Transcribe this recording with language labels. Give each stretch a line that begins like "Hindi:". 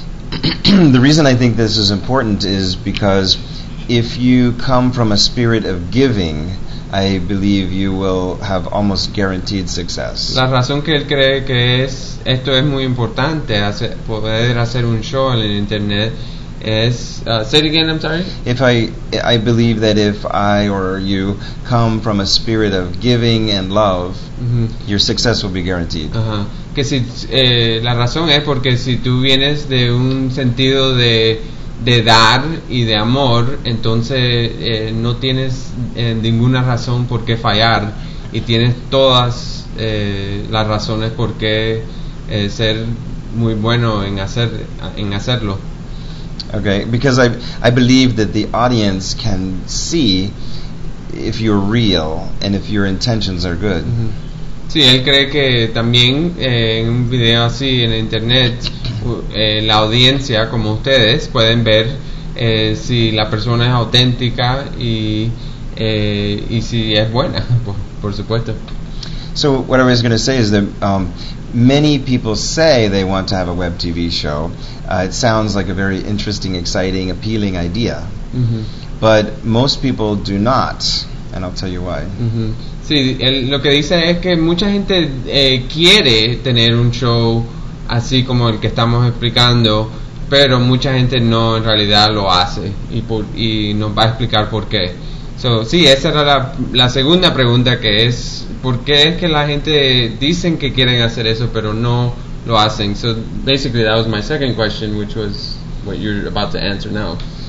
English: The reason I think this is important is because if you come from a spirit of giving, I believe you will have almost guaranteed success.
Spanish: La razón que él cree que esto es muy importante, poder hacer un show en el internet, es...
English: say it again, I'm sorry. I believe that if I or you come from a spirit of giving and love, mm-hmm. your success will be guaranteed.
Spanish: Que si, la razón es porque si tú vienes de un sentido de dar y de amor, entonces no tienes ninguna razón por qué fallar, y tienes todas las razones por qué ser muy bueno en hacerlo.
English: Okay, because I believe that the audience can see if you're real and if your intentions are good. Mm-hmm.
Spanish: Sí, él cree que también en un video así en internet la audiencia, como ustedes, pueden ver si la persona es auténtica y si es buena, por supuesto.
English: So what I was going to say is that many people say they want to have a web TV show. It sounds like a very interesting, exciting, appealing idea. Mm-hmm. But most people do not and I'll tell you why. Mm-hmm.
Spanish: Sí, él, lo que dice es que mucha gente quiere tener un show así como el que estamos explicando, pero mucha gente no en realidad lo hace y nos va a explicar por qué. So, sí, esa era la segunda pregunta, que es por qué es que la gente dicen que quieren hacer eso pero no lo hacen.
English: So basically that was my second question, which was what you're about to answer now.